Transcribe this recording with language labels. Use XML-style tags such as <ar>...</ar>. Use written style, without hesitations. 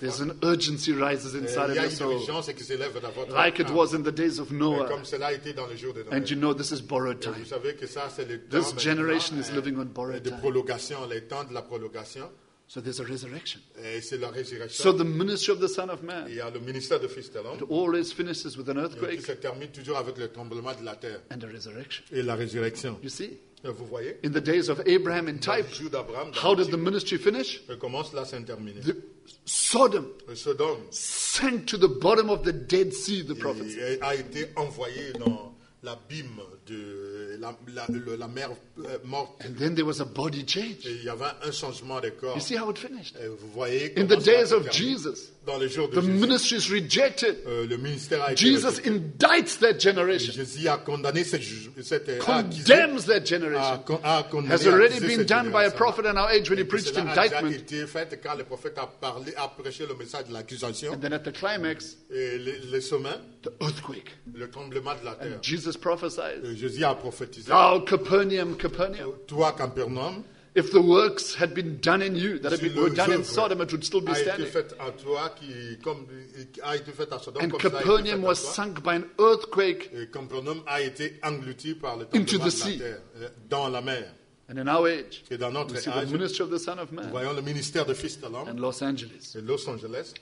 <en>there's an urgency rises inside of your soul.</en> <fr>Qui s'élève dans votre</fr> <en>like it was in the days of Noah.</en> <fr>Comme cela a été dans le jour de Noé.</fr> <en>And you know this is borrowed time.</en> <fr>Vous savez que ça, c'est le temps</fr> <en>this generation is living on borrowed time.</en> <fr>De prolongation, le temps de la prolongation.</fr> <en>So there's a resurrection.</en> <fr>Et c'est la résurrection.</fr> <en>So the ministry of the Son of Man.</en> <fr>Il y a le ministère de Fils de l'homme.</fr> <en>It always finishes with an earthquake.</en> <fr>Et se termine toujours avec le tremblement de la terre.</fr> <en>And a resurrection.</en> <fr>Et la résurrection.</fr> <en>You see?</en> <fr>Vous voyez?</fr> <en>In the days of Abraham in type, how did the ministry finish?</en> <fr>Comment cela s'est terminé?</fr> <en>Sodom sank to the bottom of the Dead Sea, the prophet said.</en> <fr>A été envoyé dans l'abîme de la mer morte.</fr> <en>And then there was a body change.</en> <fr>Il y avait un changement de corps.</fr> <en>You see how it finished?</en> <fr>Vous voyez</fr> <en>in the days of Jesus,</en> <fr>dans les jours de</fr> <en>the Jesus, ministry is rejected.</en> <fr>Le ministère a été Jesus rejeté.</fr> <en>Indicts that generation.</en> <fr>Jésus a condamné cette</fr> <en>condemns that generation. Has already been done by a prophet in our age when</en> <fr>et</fr> <en>he preached indictment.</en> <fr>A déjà été fait quand le prophète a parlé, a prêché le message de l'accusation.</fr> <en>And then at the climax,</en> <fr>et le sommet,</fr> <en>the earthquake,</en> <fr>le tremblement de la terre.</fr> <en>And Jesus prophesied.</en> <fr>Jésus a prophétisé.</fr> <en>Thou Capernaum, Capernaum.</en> <fr>Toi Capernaum.</fr> <en>If the works had been done in you, that had been were done in Sodom, it would still be standing.</en> <fr>A été fait à toi qui a été fait à Sodom.</fr> <en>And Capernaum was sunk by an earthquake.</en> <fr>Et Capernaum a été englouti par le tremblement de la terre, dans la mer.</fr> <en>And in our age,</en> <fr>et dans notre</fr> <en>we see</en> <fr>age,</fr> <en>the ministry of the Son of Man.</en> <fr>Voyons le ministère de Fils de l'homme.</fr> <en>And Los Angeles.</en> <fr>Et Los Angeles.</fr>